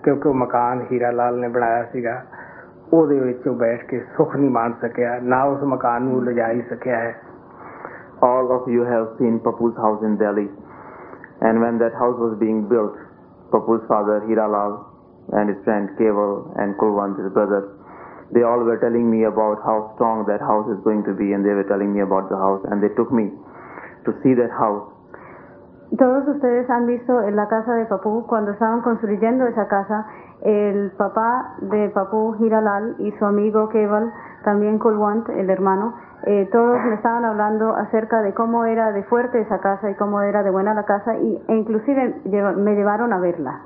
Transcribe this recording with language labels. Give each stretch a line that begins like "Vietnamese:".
Punjabi: ਕਿਉਂਕਿ ਉਹ ਮਕਾਨ ਹੀਰਾ ਲਾਲ ਨੇ ਬਣਾਇਆ ਸੀਗਾ ਉਹਦੇ ਵਿੱਚ ਉਹ ਬੈਠ ਕੇ ਸੁੱਖ ਨਹੀਂ ਮਾਣ ਸਕਿਆ ਨਾ ਉਸ ਮਕਾਨ ਨੂੰ ਲਿਜਾ ਹੀ ਸਕਿਆ ਹੈ.
English: All of you have seen Papu's house in Delhi, and when that house was being built, Papu's father Hira Lal and his friend Keval and Kulwant, his brother, they all were telling me about how strong that house is going to be, and they were telling me about the house, and they took me to see that house.
Spanish: Todos ustedes han visto en la casa de Papu cuando estaban construyendo esa casa. El papá de Papu, Hira Lal, y su amigo Keval, también Kulwant, el hermano, todos me estaban hablando acerca de cómo era de fuerte esa casa y cómo era de buena la casa, e inclusive me llevaron a verla.